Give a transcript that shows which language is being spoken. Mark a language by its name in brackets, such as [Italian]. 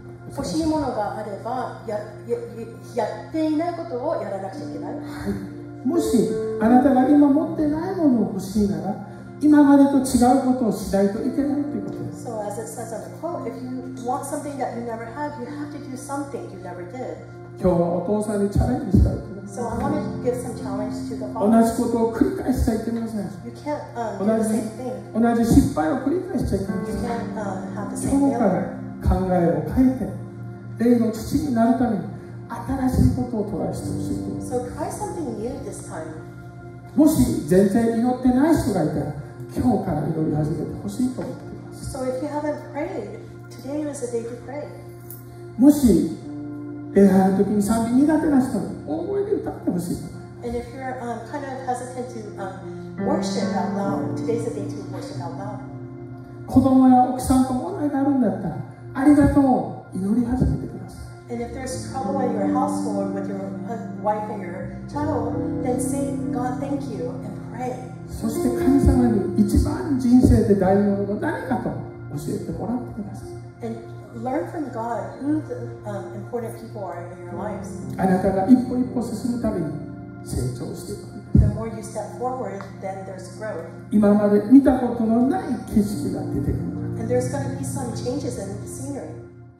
[Japanese] 欲しいものがあれば やっていないことをやらなくちゃいけない、はい、もしあなたが今持ってないものを欲しいなら今までと違うことをしないといけないということです。 [English] So as it says on the quote, if you want something that you never have, you have to do something you never did. [Japanese] 今日はお父さんにチャレンジしたいと。 [English] So I want to give some challenge to the father. [Japanese] 同じことを繰り返しちゃいけません。 [English] You can't do the same thing. [Japanese] 同じ失敗を繰り返しちゃいけません。 [English] You can't have the same failure. [Japanese] 今日から考えを変えて霊の父になるために新しいことをトライしてほしい。 [English] So try something new this time. [Japanese] もし全然祈ってない人がいたら今日から祈り始めてほしいと思っています。 [English] So if you haven't prayed, today is the day to pray. [Japanese] もし礼拝の時に賛美苦手な人に大声で歌ってほしい。 [English] And if you're kind of hesitant to worship out loud, today is the day to worship out loud. [Japanese] 子供や奥さんと問題があるんだったらありがとう祈り始めてください。 [English] And if there's trouble at your household with your wife and your child, then say God thank you and pray. [Japanese] そして神様に一番人生で大事なことは何かと教えてもらってください。 [English] And learn from God who the important people are in your lives. [Japanese] あなたが一歩一歩進むたびに成長していく。 [English] The more you step forward, then there's growth. [Japanese] 今まで見たことのない景色が出てくる。 [English] And there's going to be some changes in the scenery.